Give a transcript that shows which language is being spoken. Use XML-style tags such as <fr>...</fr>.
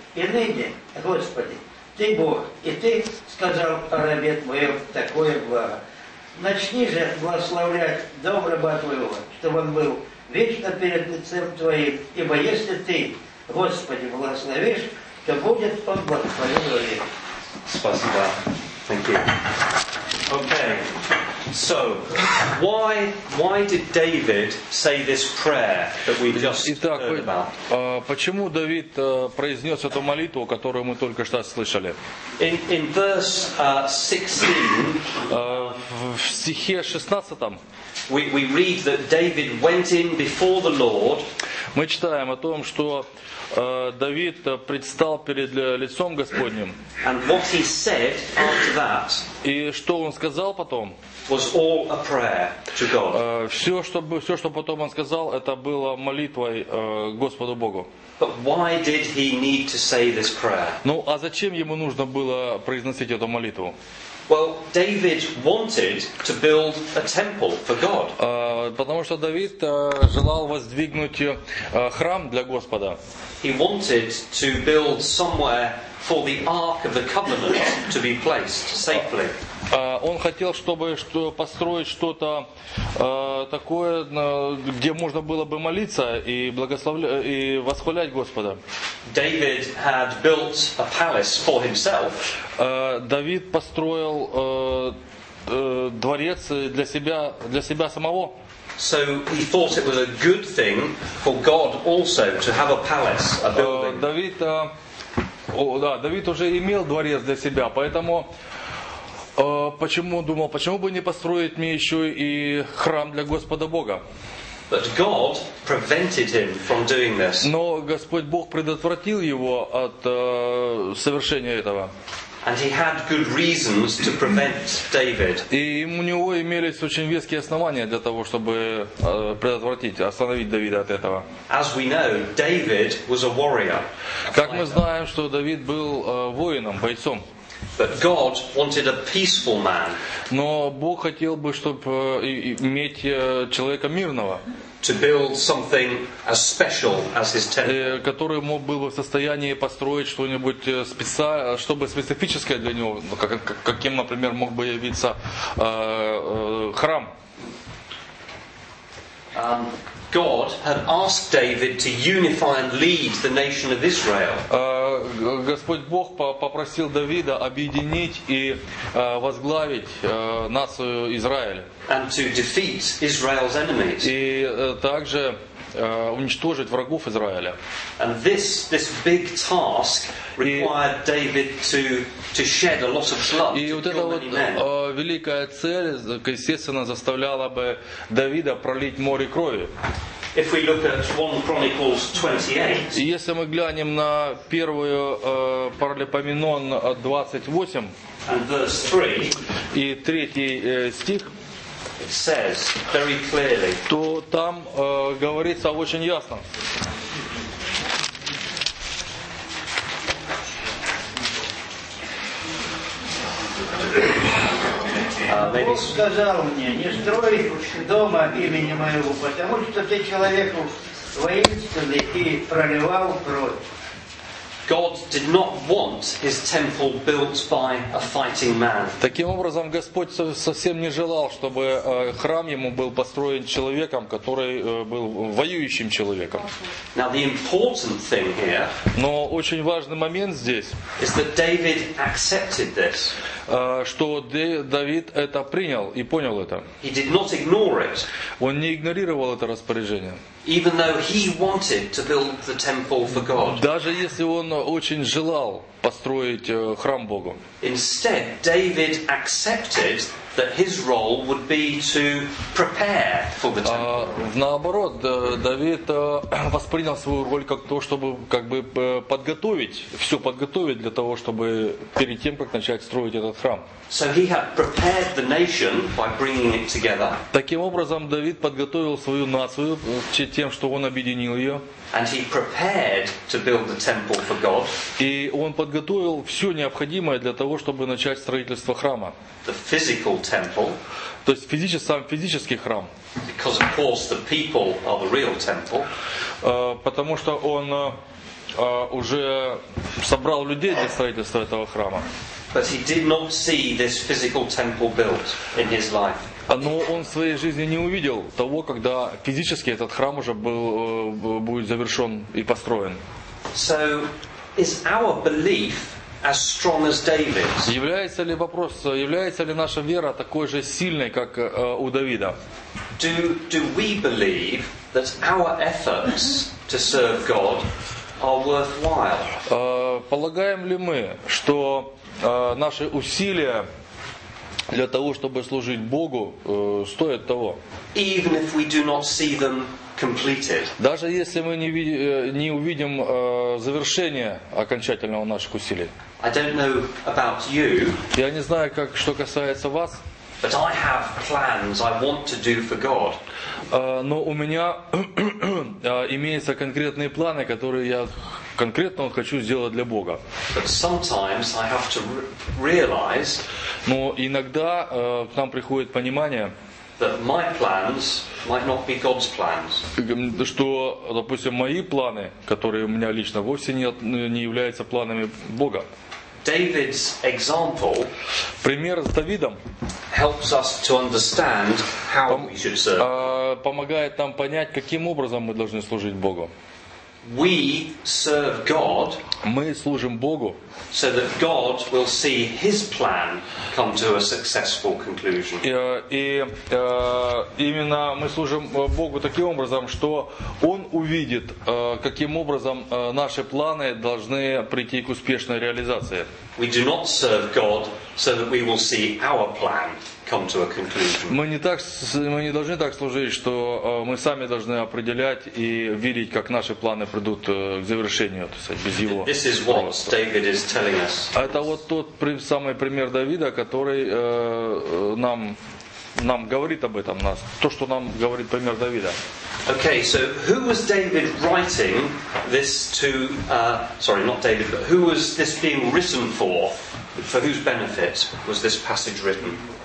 <ru>И ныне, Господи, ты Бог, и ты сказал о рабе твоем такое благо. Начни же благословлять дом раба твоего, чтобы он был вечно перед лицем твоим. Ибо если ты, Господи, благословишь, то будет он благословен вовек. Спасибо.</ru> <en>Thank you. Okay. So, why did David say this prayer that we just</en> <ru>Итак,</ru> <en>heard about?</en> <ru>Почему Давид произнес эту молитву, которую мы только что слышали?</ru> <en>In verse 16,</en> <ru>в стихе 16,</ru> <en>we read that David went in before the Lord.</en> <ru>Мы читаем о том, что Давид предстал перед лицом Господним.</ru> <en>And what he said after that.</en> <ru>И что он сказал потом?</ru> <en>Was all a prayer to God.</en> <ru>Все, что потом он сказал, это было молитвой Господу Богу.</ru> <en>But why did he need to say this prayer?</en> <ru>Ну, а зачем ему нужно было произносить эту молитву?</ru> <en>Well, David wanted to build a temple for God.</en> <ru>Потому что Давид желал воздвигнуть храм для Господа.</ru> <en>He wanted to build somewhere for the Ark of the Covenant to be placed safely.</en> <ru>Он хотел, чтобы построить что-то такое, где можно было бы молиться и благословлять и восхвалять Господа.</ru> <en>David had built a palace for himself.</en> <ru>Давид построил дворец для себя самого.</ru> <en>So he thought it was a good thing for God also to have a palace, a building.</en> <ru>Давид уже имел дворец для себя, поэтому почему бы не построить мне еще и храм для Господа Бога?</ru> <en>But God prevented him from doing this.</en> <ru>Но Господь Бог предотвратил его от совершения этого.</ru> <en>And he had good reasons to prevent David.</en> <ru>И у него имелись очень веские основания для того, чтобы предотвратить, остановить Давида от этого.</ru> <en>As we know, David was a warrior.</en> <ru>Как мы знаем, что Давид был воином, бойцом.</ru> <en>But God wanted a peaceful man.</en> <ru>Но Бог хотел бы, чтобы иметь человека мирного.</ru> <en>To build something as special as his temple.</en> <ru>Который мог бы в состоянии построить что-нибудь специальное, чтобы специфическое для него, каким, например, мог бы явиться храм.</ru> <en>God had asked David to unify and lead the nation of Israel.</en> <ru>Господь Бог попросил Давида объединить и возглавить нацию Израиля.</ru> <en>And to defeat Israel's enemies.</en> <ru>И также уничтожить врагов Израиля.</ru> <en>And this big task required David to shed a lot of blood.</en> <ru>И вот эта вот великая цель, естественно, заставляла бы Давида пролить море крови.</ru> <en>If we look at 1 Chronicles 28.</en> <ru>Если мы глянем на первую Паралипоменон 28.</ru> <en>And verse 3.</en> <ru>И третий стих.</ru> <en>It says very clearly.</en> <ru>То там говорится очень ясно. Бог сказал мне, не строй дома имени моего, потому что ты человек воинственный и проливал кровь.</ru> <en>God did not want his temple built by a fighting man.</en> <ru>Таким образом, Господь совсем не желал, чтобы храм ему был построен человеком, который был воюющим человеком.</ru> <en>Now the important thing here.</en> <ru>Но очень важный момент здесь.</ru> <en>Is that David accepted this?</en> <ru>Что Давид это принял и понял это.</ru> <en>He did not ignore it.</en> <ru>Он не игнорировал это распоряжение.</ru> <en>Even though he wanted to build the temple for God.</en> <ru>Даже если он очень желал построить храм Богу.</ru> <en>Instead, David accepted that his role would be to prepare for the temple.</en> <ru>Наоборот, Давид воспринял свою роль как то, чтобы как бы подготовить для того, чтобы перед тем, как начать строить этот храм.</ru> <en>So he had prepared the nation by bringing it together.</en> <ru>Таким образом, Давид подготовил свою нацию тем, что он объединил ее.</ru> <en>And he prepared to build the temple for God.</en> <ru>И он подготовил все необходимое для того, чтобы начать строительство храма.</ru> <en>The physical temple.</en> <ru>То есть сам физический храм.</ru> <en>Because of course the people are the real temple.</en> <ru>Потому что он уже собрал людей для строительства этого храма.</ru> <en>But he did not see this physical temple built in his life.</en> <ru>Но он в своей жизни не увидел того, когда физически этот храм уже будет завершен и построен.</ru> <en>So, is our belief as strong as David's?</en> <ru>Является ли наша вера такой же сильной, как у Давида?</ru> <en>Do we believe that our efforts to serve God are worthwhile?</en> <ru>Полагаем ли мы, что наши усилия для того, чтобы служить Богу, стоит того.</ru> <en>Even if we do not see them completed.</en> <ru>Даже если мы не увидим завершение окончательного наших усилий.</ru> <en>I don't know about you.</en> <ru>Я не знаю, как что касается вас.</ru> <en>But I have plans I want to do for God.</en> <ru>Но у меня имеются конкретные планы, которые я конкретно хочу сделать для Бога.</ru> <en>But sometimes I have to realize.</en> <ru>Но иногда к нам приходит понимание.</ru> <en>that my plans might not be God's plans.</en> <ru>Что, допустим, мои планы, которые у меня лично вовсе не являются планами Бога.</ru> <en>David's example.</en> <ru>Пример с Давидом.</ru> <en>Helps us to understand how we should serve.</en> <ru>Помогает нам понять, каким образом мы должны служить Богу.</ru> <en>We serve God.</en> <ru>Мы служим Богу.</ru> <en>So that God will see His plan come to a successful conclusion.</en> <ru>Именно мы служим Богу таким образом, что Он увидит, каким образом наши планы должны прийти к успешной реализации.</ru> <en>We do not serve God so that we will see our plan come to a conclusion.</en> <ru>Мы не должны так служить, что мы сами должны определять и верить, как наши планы придут к завершению, то есть без Его.</ru> <en>This is what David is telling us.</en> <ru>Это вот тот самый пример Давида, который нам говорит об этом нас. То, что нам говорит пример Давида.</ru> <en>Okay, so who was David writing this to? Sorry, not David, but who was this being written for? For whose benefit was this passage written?</en>